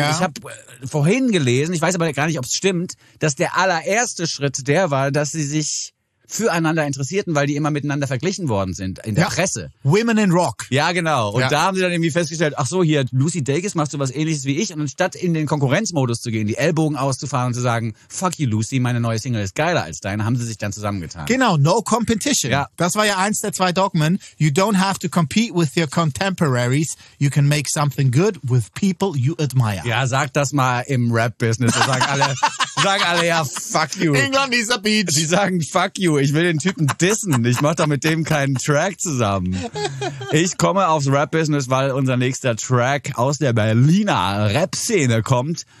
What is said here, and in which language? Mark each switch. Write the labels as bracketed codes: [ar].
[de] Ja. Ich habe vorhin gelesen, ich weiß aber gar nicht, ob es stimmt, dass der allererste Schritt der war, dass sie sich füreinander interessierten, weil die immer miteinander verglichen worden sind in der Presse. [en] Women in Rock. [de] Ja, genau. Und da haben sie dann irgendwie festgestellt, ach so, hier, Lucy Dacus, machst du was Ähnliches wie ich? Und anstatt in den Konkurrenzmodus zu gehen, die Ellbogen auszufahren und zu sagen, [en] fuck you, Lucy, [de] meine neue Single ist geiler als deine, haben sie sich dann zusammengetan. Genau, [en] no competition. [de] Ja. Das war ja eins der zwei Dogmen. [en] You don't have to compete with your contemporaries. You can make something good with people you admire. [de] Ja, sag das mal im Rap-Business. Da sagen alle, ja, [en] fuck you. England is a beach. [de] Die sagen, [en] fuck you. [de] Ich will den Typen dissen. Ich mach doch mit dem keinen Track zusammen. Ich komme aufs Rap-Business, weil unser nächster Track aus der Berliner Rap-Szene kommt.